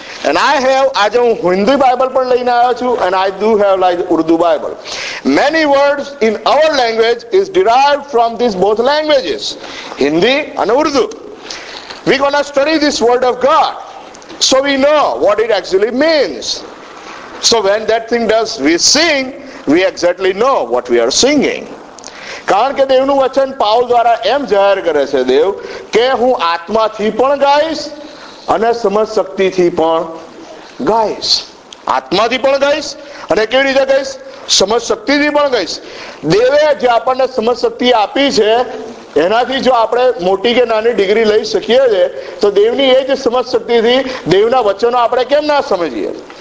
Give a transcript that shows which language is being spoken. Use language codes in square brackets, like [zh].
[en] and I have, [gu] આજે હું Hindi Bible પણ લઈને આવ્યો છું, [en] And I do have like Urdu Bible. Many words in our language is derive from this both languages, [gu] Hindi અને ઉર્દુ. વી ગોના study this word of God, [en] so we know what it actually means. So when that thing does we sing, we exactly know what we are singing. [gu] કારણ કે દેવનું વચન Paul દ્વારા એમ જાહેર કરે છે દેવ કે હું આત્માથી પણ ગાઈશ અને સમજ શક્તિથી પણ ગાઈશ. આત્માથી પણ ગાઈશ અને કેવી રીતે ગાઈશ? સમજ શક્તિથી પણ ગાઈશ. દેવે જે આપણને સમજ શક્તિ આપી છે એનાથી જો આપણે મોટી કે નાની ડિગ્રી લઈ શકીએ છીએ, તો દેવની એ જ સમજ શક્તિથી દેવના વચનો આપણે કેમ ના સમજીએ?